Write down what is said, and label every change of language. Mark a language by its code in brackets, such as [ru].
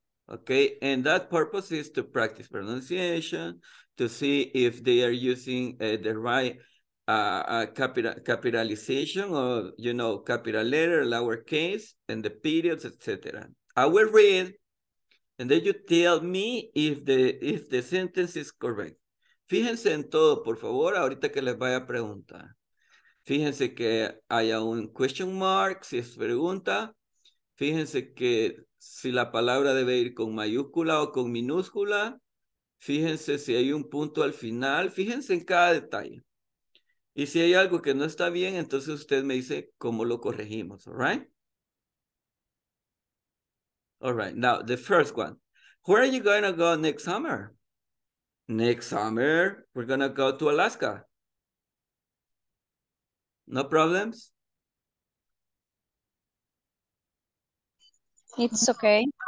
[en] Okay, and that purpose is to practice pronunciation, to see if they are using the right capitalization or, you know, capital letter, lowercase, and the periods, etc. I will read, and then you tell me if the sentence is correct. [es] Fíjense en todo, por favor, ahorita que les vaya a preguntar. Fíjense que haya un question mark, si es pregunta. Fíjense que... si la palabra debe ir con mayúscula o con minúscula. Fíjense si hay un punto al final. Fíjense en cada detalle. Y si hay algo que no está bien, entonces usted me dice cómo lo corregimos. [en] All right? All right. Now, the first one. Where are you going to go next summer? Next summer, we're going to go to Alaska. No problems? It's okay.